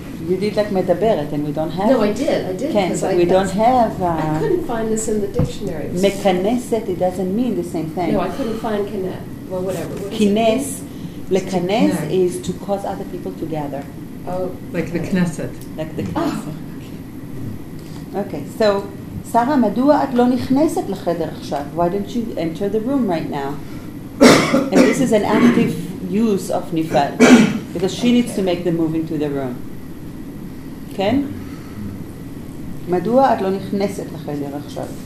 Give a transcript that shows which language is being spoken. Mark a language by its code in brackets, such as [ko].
[en] You did like medaberet, and we don't have... No, I did. I couldn't find this in the dictionary. Mekaneset, it doesn't mean the same thing. No, I couldn't find kinet. Well, whatever. What kines, lekanes is to cause other people to gather. Oh. Like the kneset. Like the kneset. Okay, so, [he] Sarah, מדוע את לא נכנסת לחדר עכשיו? [en] Why don't you enter the room right now? And this is an active use of nifal, because she needs to make the move into the room. [he] כן? מדוע את לא נכנסת לחדר עכשיו?